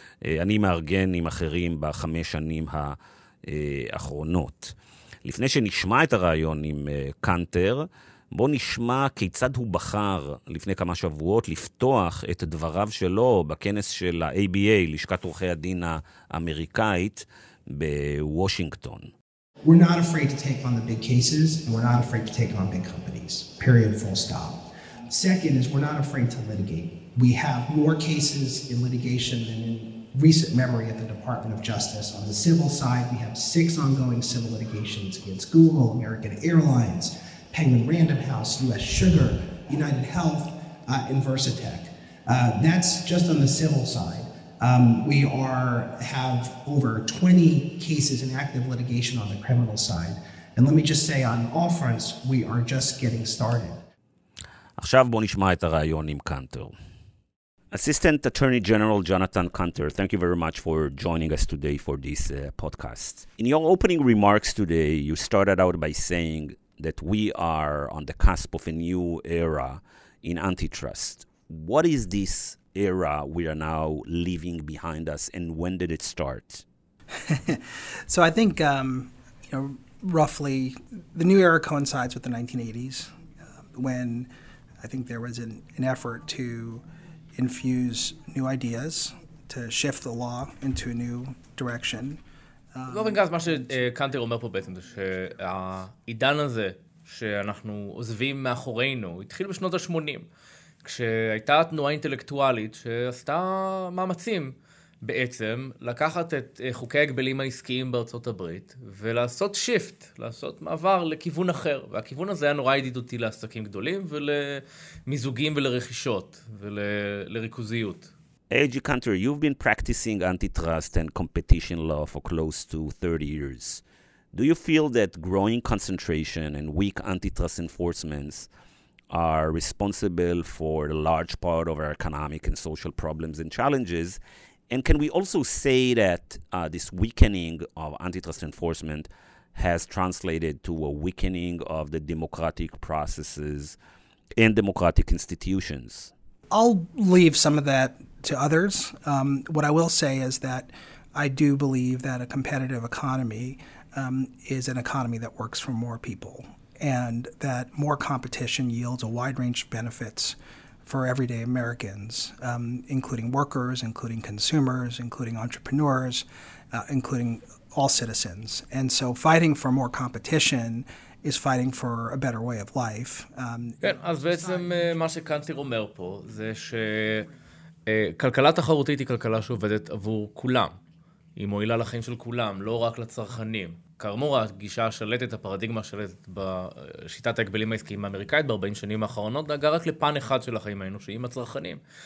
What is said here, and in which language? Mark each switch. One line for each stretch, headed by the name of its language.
Hebrew: אני מארגן עם אחרים ב5 שנים האחרונות. לפני שנשמע את הרעיון עם קנטר, בוא נשמע כיצד הוא בחר לפני כמה שבועות לפתוח את דבריו שלו בכנס של ה-ABA, לשכת עורכי הדין האמריקאית, בוושינגטון.
English: We're not afraid to take on the big cases, and we're not afraid to take on big companies. Period, full stop. Second is, we're not afraid to litigate. We have more cases in litigation than in recent memory at the Department of Justice. On the civil side, we have 6 ongoing civil litigations against Google, American Airlines, Penguin Random House, US Sugar, United Health, and Versatech. That's just on the civil side. We have over 20 cases in active litigation on the criminal side. And let me just say, on all fronts, we are just getting started. עכשיו בוא נשמע את הרעיון עם קנטר. Assistant Attorney General Jonathan Kanter, thank you very much for joining us today for this podcast. In your opening remarks today, you started out by saying that we are on the cusp of a new era in antitrust. What is this era we are now leaving behind us, and when did it start? So I think, roughly, the new era coincides with the 1980s, when I think there was an effort to infuse new ideas to shift the law into a new direction.
Hebrew: באופן כזה, מה שקנטר אומר פה בעצם, זה שהעידן הזה שאנחנו עוזבים מאחורינו, התחיל בשנות ה-80, כשהייתה תנועה אינטלקטואלית שעשתה מאמצים בעצם לקחת את חוקי הגבלים העסקיים בארצות הברית ולעשות שיפט, לעשות מעבר לכיוון אחר. והכיוון הזה היה נורא ידידותי לעסקים גדולים ולמיזוגים ולרכישות ולריכוזיות.
English: AG Cantor, you've been practicing antitrust and competition law for close to 30 years. Do you feel that growing concentration and weak antitrust enforcements are responsible for a large part of our economic and social problems and challenges? And can we also say that this weakening of antitrust enforcement has translated to a weakening of the democratic processes and democratic institutions? I'll leave some of that to others. What I will say is that I do believe that a competitive economy is an economy that works for more people, and that more competition yields a wide range of benefits for everyday Americans, including workers, including consumers, including entrepreneurs, including all citizens. And so fighting for more competition is fighting for a better way of life.
Hebrew: כן, אז בעצם מה שקנטר אומר פה זה שכלכלה תחרותית היא כלכלה שעובדת עבור כולם. היא מועילה לחיים של כולם, לא רק לצרכנים. כאמור, הגישה השלטת, הפרדיגמה השלטת בשיטת ההגבלים העסקיים האמריקאית ב-40 שנים האחרונות, דאגה רק לפן אחד של החיים האנושיים, הצרכנים.